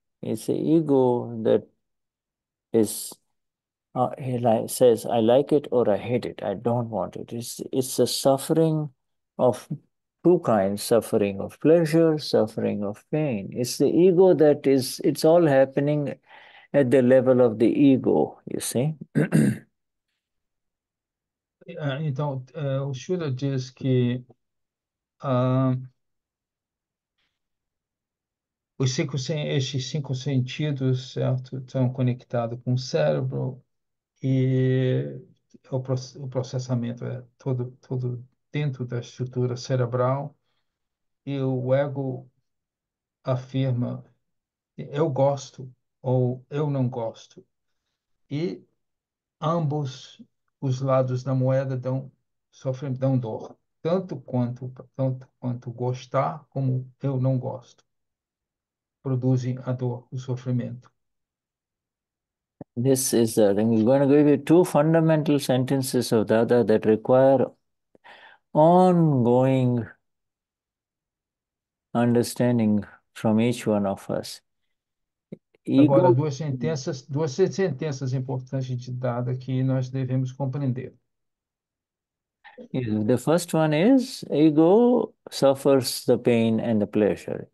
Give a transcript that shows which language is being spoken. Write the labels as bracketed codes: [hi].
[en] It's the ego that is, says, I like it or I hate it. I don't want it. It's a suffering of two kinds, suffering of pleasure, suffering of pain. It's the ego that is, it's all happening at the level of the ego, you see. [pt] Então, o Shuddha diz que esses cinco sentidos, certo, estão conectados com o cérebro e o processamento é todo dentro da estrutura cerebral. E o ego afirma, eu gosto ou eu não gosto. E ambos os lados da moeda dão dor, tanto quanto gostar como eu não gosto. Produzem a dor, o sofrimento. [en] This is, I think we're going to give you two fundamental sentences of Dada that require ongoing understanding from each one of us. Ego. [pt] Agora, duas sentenças importantes de Dada que nós devemos compreender. [en] The first one is ego suffers the pain and the pleasure.